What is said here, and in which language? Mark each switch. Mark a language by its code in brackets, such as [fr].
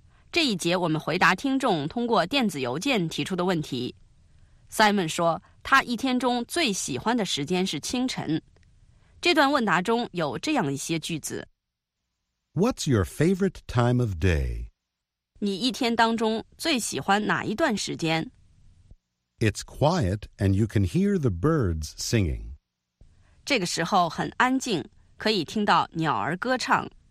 [zh] 这一节我们回答听众通过电子邮件提出的问题。 Simon 说他一天中最喜欢的时间是清晨。这段问答中有这样一些句子。 [en] What's your favorite time of day? [zh] 你一天当中最喜欢哪一段时间？ [en] It's quiet and you can hear the birds singing. [zh] 这个时候很安静，可以听到鸟儿歌唱。